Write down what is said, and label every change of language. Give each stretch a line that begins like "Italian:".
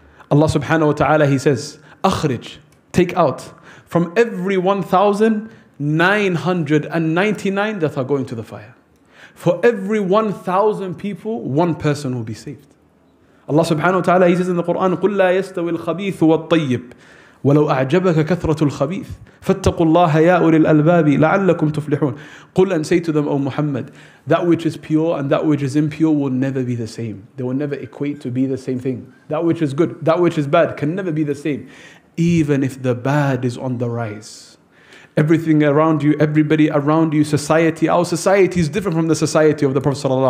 English: Allah subhanahu wa ta'ala, he says, أَخْرِجْ, take out from every 1,999 that are going to the fire. For every 1,000 people, one person will be saved. Allah subhanahu wa ta'ala, he says in the Quran,
Arabic: قُلْ لَا يَسْتَوِي الْخَبِيثُ وَالطَّيِّبُ. ولو أعجبك كثرة الخبيث فاتقوا الله يا أولي الألباب لعلكم تفلحون.
English: قل and say to them, O Muhammad, that which is pure and that which is impure will never be the same. They will never equate to be the same thing. That which is good, that which is bad can never be the same. Even if the bad is on the rise, everything around you, everybody around you, society, our society is different from the society of the Prophet.